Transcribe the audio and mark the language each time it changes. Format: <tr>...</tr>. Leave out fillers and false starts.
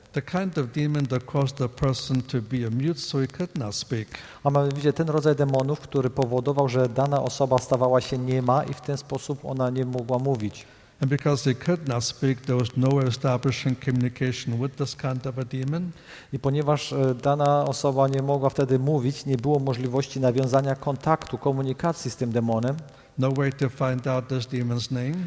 <en>The kind of demon that caused the person to be a mute, so he could not speak.</en> <pl>A mamy widzieć ten rodzaj demonów, który powodował, że dana osoba stawała się niema i w ten sposób ona nie mogła mówić.</pl> <en>And because he could not speak, there was no establishing communication with this kind of a demon.</en> <pl>I ponieważ dana osoba nie mogła wtedy mówić, nie było możliwości nawiązania kontaktu, komunikacji z tym demonem.</pl> <en>No way to find out this demon's name.</en>